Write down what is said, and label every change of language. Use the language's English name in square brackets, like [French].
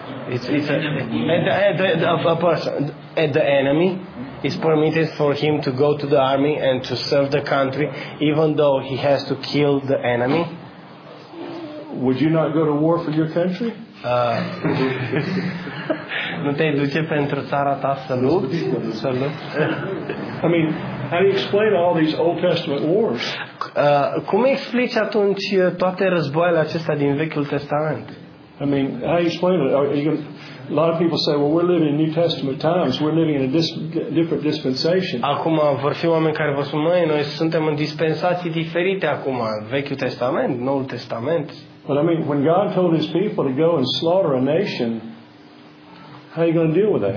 [English] It's a person. The enemy is permitted for him to go to the army and to serve the country, even though he has to kill the enemy. Would you not go to war for your country? [Romanian] Nu te duce pentru țara ta să lupți? Să lupți? [English] I mean, how do you explain all these Old Testament wars? [Romanian] Cum explici atunci toate războaiele acestea din Vechiul Testament? [English] I mean, how do you explain it? A lot of people say, well, we're living in New Testament times. We're living in a different dispensation. [Romanian] Acum vor fi oameni care vă spun, măi, noi suntem în dispensații diferite acum, Vechiul Testament, Noul Testament. [English] But I mean, when God told his people to go and slaughter a nation, how are you going to deal with that?